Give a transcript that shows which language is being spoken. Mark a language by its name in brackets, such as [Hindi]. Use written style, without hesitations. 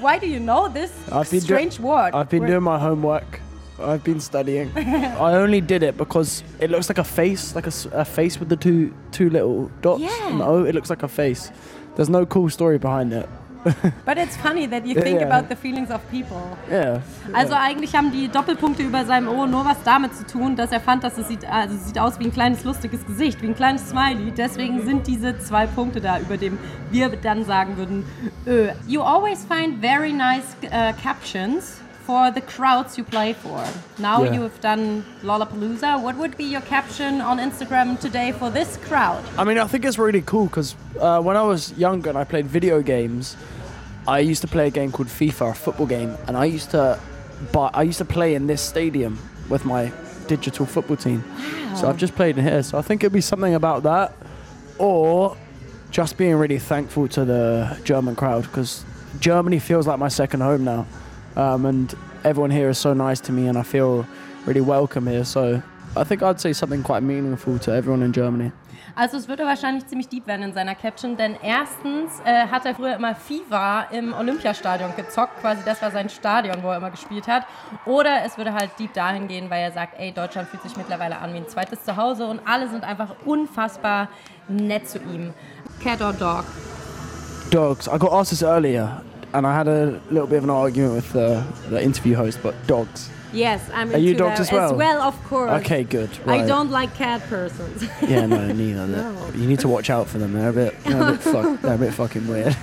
[English] Why do you know this strange word? I've been doing my homework. I've been studying. I only did it because it looks like a face, like a face with the two little dots. Yeah. No, it looks like a face. There's no cool story behind it. But it's funny that you think about the feelings of people. Yeah. [German] Also eigentlich haben die Doppelpunkte über seinem O nur was damit zu tun, dass er fand, dass es sieht, also sieht aus wie ein kleines lustiges Gesicht, wie ein kleines Smiley. Deswegen sind diese zwei Punkte da, über dem wir dann sagen würden, [English] you always find very nice captions for the crowds you play for. Now you have done Lollapalooza. What would be your caption on Instagram today for this crowd? I mean, I think it's really cool because when I was younger and I played video games, I used to play a game called FIFA, a football game, and I used to play in this stadium with my digital football team. Wow. So I've just played in here. So I think it'd be something about that, or just being really thankful to the German crowd because Germany feels like my second home now. And everyone here is so nice to me and I feel really welcome here. So I think I'd say something quite meaningful to everyone in Germany. [German] Also es würde wahrscheinlich ziemlich deep werden in seiner Caption, denn erstens hat er früher immer FIFA im Olympiastadion gezockt, quasi das war sein Stadion, wo er immer gespielt hat. Oder es würde halt deep dahin gehen, weil er sagt, ey, Deutschland fühlt sich mittlerweile an wie ein zweites Zuhause und alle sind einfach unfassbar nett zu ihm. [English] Cat or dog? Dogs. I got asked this earlier. And I had a little bit of an argument with the interview host, but dogs. Yes, I'm into you dogs them as well? As well, of course. Okay, good. Right. I don't like cat persons. Yeah, no, neither. No. You need to watch out for them. They're a bit fucking weird.